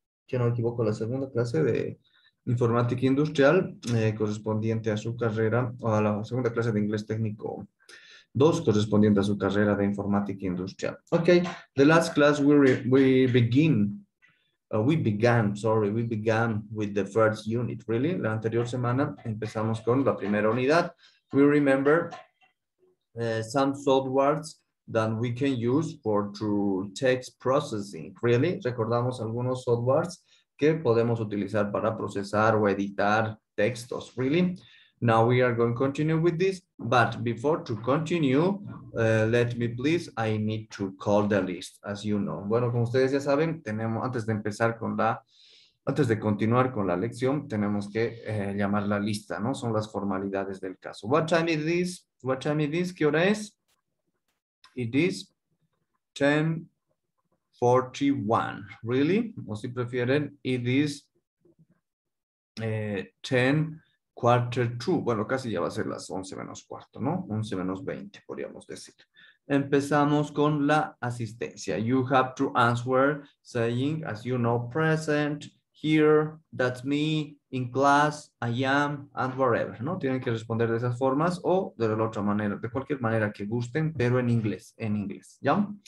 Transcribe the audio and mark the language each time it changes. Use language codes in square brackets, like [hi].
[es] Si no me equivoco, la segunda clase de informática industrial, correspondiente a su carrera, o a la segunda clase de inglés técnico 2, correspondiente a su carrera de informática industrial. [en] Ok, the last class we began with the first unit, really. [es] La anterior semana empezamos con la primera unidad. [en] We remember some softwares that we can use for true text processing, really. [es] Recordamos algunos softwares que podemos utilizar para procesar o editar textos, [en] really. Now we are going to continue with this, but before to continue, let me please, I need to call the list, as you know. [es] Bueno, como ustedes ya saben, tenemos, antes de continuar con la lección, tenemos que llamar la lista, ¿no? Son las formalidades del caso. [en] What time is this? [es] ¿Qué hora es? [en] It is 10:41, really? [es] O si prefieren, [en] it is 10:42. [es] Bueno, casi ya va a ser las 11:15, ¿no? 11:20, podríamos decir. Empezamos con la asistencia. [en] You have to answer saying, as you know, present, here, that's me, in class, I am, and wherever, [es] ¿no? Tienen que responder de esas formas o de la otra manera, de cualquier manera que gusten, pero en inglés, ¿ya?